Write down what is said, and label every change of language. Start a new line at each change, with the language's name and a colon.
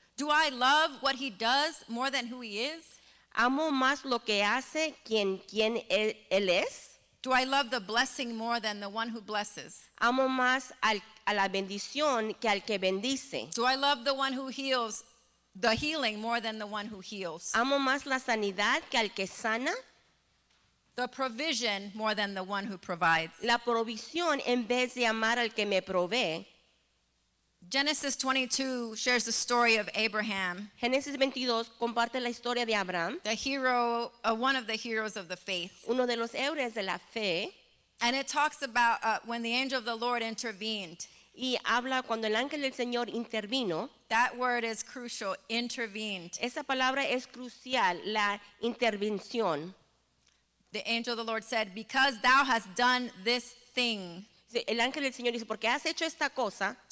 English: Do I love what he does more than who he is?
Spanish: Amo más lo que hace quien él es.
English: Do I love the blessing more than the one who blesses?
Spanish: Amo más a la bendición que al que bendice.
English: Do I love the one who heals, the healing more than the one who heals?
Spanish: Amo más la sanidad que al que sana.
English: The provision more than the one who provides.
Spanish: La provisión en vez de amar al que me provee.
English: Genesis 22 shares the story of Abraham.
Spanish: Génesis 22 comparte la historia de Abraham.
English: The hero, one of the heroes of the faith.
Spanish: Uno de los héroes de la fe.
English: And it talks about when the angel of the Lord intervened.
Spanish: Y habla cuando el ángel del Señor intervino.
English: That word is crucial, intervened.
Spanish: Esa palabra es crucial, la intervención.
English: The angel of the Lord said, "Because thou hast done this thing."
Spanish: Sí, el ángel del Señor dice, "Porque has hecho esta cosa."